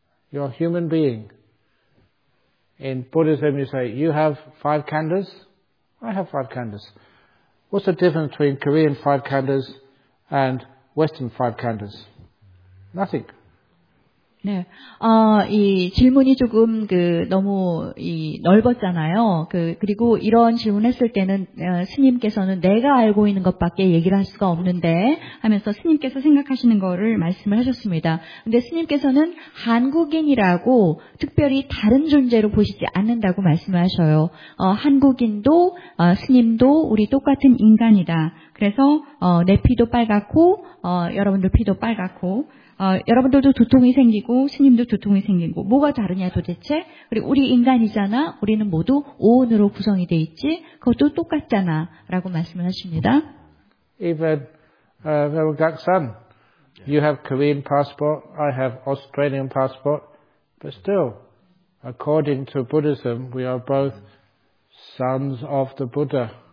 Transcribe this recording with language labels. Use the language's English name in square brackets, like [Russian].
[English] You're a human being. In Buddhism you say, you have five khandhas, I have five khandhas. What's the difference between Korean five khandhas and Western five khandhas? Nothing. [Korean] 네. 이 질문이 조금 너무 넓었잖아요. 그리고 이런 질문 했을 때는 스님께서는 내가 알고 있는 것밖에 얘기를 할 수가 없는데 하면서 스님께서 생각하시는 거를 말씀을 하셨습니다. 근데 스님께서는 한국인이라고 특별히 다른 존재로 보시지 않는다고 말씀을 하셔요. 한국인도 스님도 우리 똑같은 인간이다. 그래서 내 피도 빨갛고 여러분들 피도 빨갛고 여러분들도 두통이 생기고 스님도 두통이 생기고 뭐가 다르냐 도대체? 그리고 우리 인간이잖아. 우리는 모두 오온으로 구성이 돼 있지. 그것도 똑같잖아. 라고 말씀을 하십니다. [English] Even Gak-san, you have Korean passport, I have Australian passport, but still, according to Buddhism, we are both sons of the Buddha.